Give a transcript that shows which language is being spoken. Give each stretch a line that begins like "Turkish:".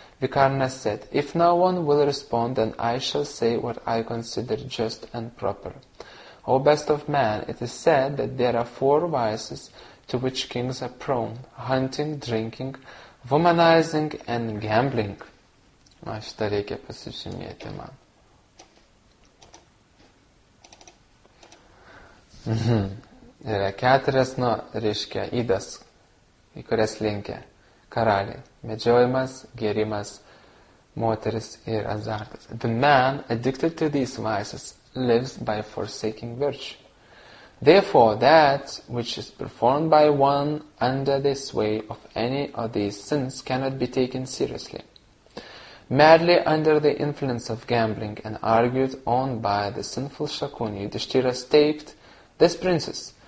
English: Vikarna said, if no one will respond, then I shall say what I consider just and proper. O best of man, it is said that there are four vices to which kings are prone: hunting, drinking, womanizing, and gambling.
Lithuanian: Na, šitą reikia pasižymėti man. Yra keturias, nu, reiškia, įdas, į kurias linkia karaliai. Medžiojimas, gėrimas, moteris ir azartas.
English: The man addicted to these vices lives by forsaking virtue. Therefore, that which is performed by one under the sway of any of these sins cannot be taken seriously. Madly under the influence of gambling and argued on by the sinful Shakuni, Yudhishthira staked this princess.